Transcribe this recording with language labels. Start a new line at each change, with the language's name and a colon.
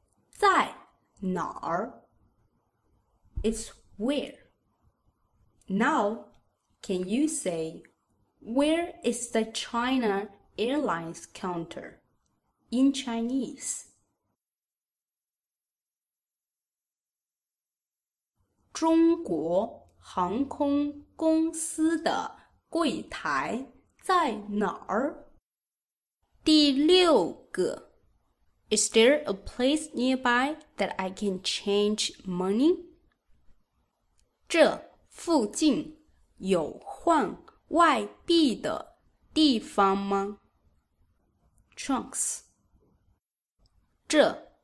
Chinese: 在哪儿
English: It's where. Now, can you say, where is the China Airlines counter in Chinese?
Chinese: 中国航空公司的柜台在哪儿？第六个
English: ，Is there a place nearby that I can change money?
Chinese: 这附近有换外币的地方吗 ？Trunks， 这